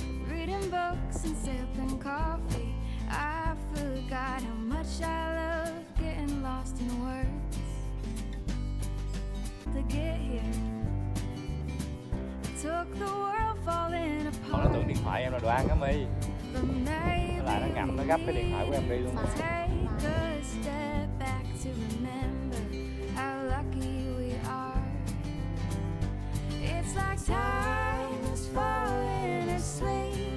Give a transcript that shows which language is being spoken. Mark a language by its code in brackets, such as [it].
[en] Reading books and sipping coffee, I forgot how much I love getting lost in words. To get here, took the world falling apart. [vi] Nó tưởng điện thoại em là đồ ăn á mi. Lại nó ngậm nó gấp cái điện thoại của em đi luôn. [en] Take a step back to remember how lucky we are. It's like time is falling asleep.